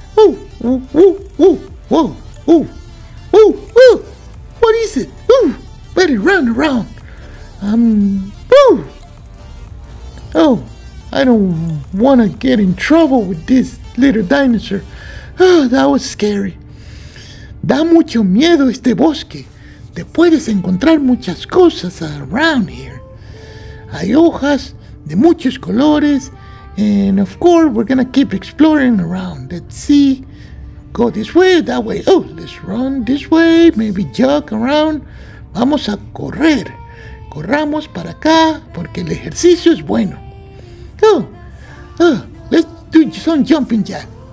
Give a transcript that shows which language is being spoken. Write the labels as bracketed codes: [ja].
[en] Oh, whoa, whoa, whoa, whoa, whoa, whoa. What is it? Oh, better run around. Whoa. Oh, I don't want to get in trouble with this little dinosaur. Oh, that was scary. [es] Da mucho miedo este bosque. Te puedes encontrar muchas cosas [en] around here. [es] Hay hojas de muchos colores, [en] and of course, we're gonna keep exploring around. Let's see, go this way, that way. Oh, let's run this way, maybe jog around. [es] Vamos a correr. Corramos para acá, porque el ejercicio es bueno. [en] Oh, let's do some jumping jack.